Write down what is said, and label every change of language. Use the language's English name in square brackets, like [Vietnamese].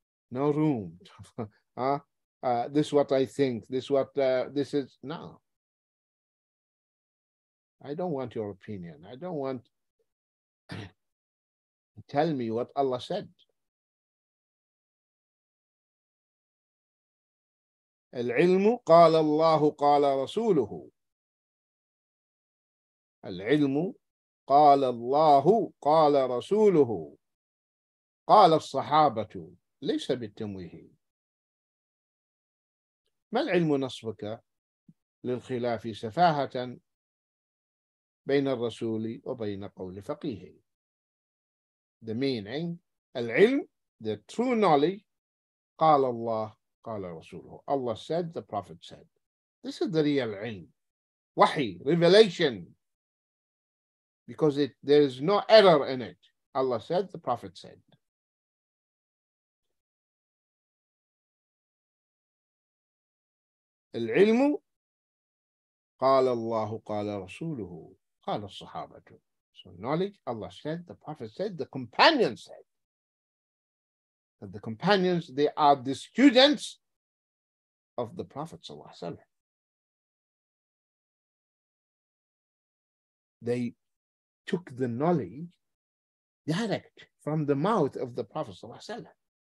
[English] No room. this is what I think. This is what this is. No. I don't want your opinion. I don't want tell me what Allah said. [Arabic] العلم قال الله قال رسوله. العلم قال الله قال رسوله. قال الصحابة ليس بالتمويه. ما العلم نصبك للخلاف سفاهة بين الرسول وبين قول فقيه. [English] The meaning, العلم, the true knowledge, [Arabic] قال الله قال رسوله. [English] Allah said, the Prophet said. This is the real علم. وحي, revelation. Because there is no error in it. Allah said, the Prophet said. [Arabic] العلم قال الله قال رسوله. قال الصحابة. [English] So knowledge, Allah said, the Prophet said, the companions said. That the companions, they are the students of the Prophet sallallahu alaihi wasallam. They took the knowledge direct from the mouth of the Prophet sallallahu alaihi wasallam.